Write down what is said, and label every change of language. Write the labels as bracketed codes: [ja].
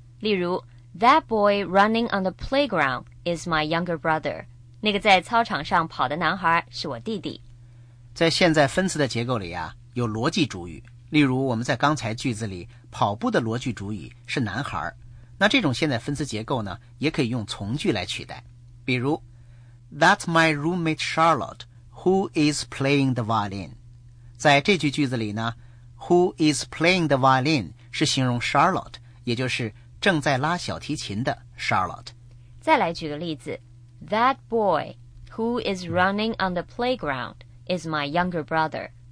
[zh] 例如 [en] That boy running on the playground is my younger brother. [zh] 那个在操场上跑的男孩是我弟弟。在现在分词的结构里啊，有逻辑主语，例如我们在刚才句子里跑步的逻辑主语是男孩，那这种现在分词结构呢，也可以用从句来取代。比如 [en] That's my roommate Charlotte who is playing the violin。 [zh] 在这句句子里呢， [en] who is playing the violin [zh] 是形容 Charlotte， 也就是正在拉小提琴的 Charlotte。再来举个例子， [en] That boy who is running on the playground is my younger brother.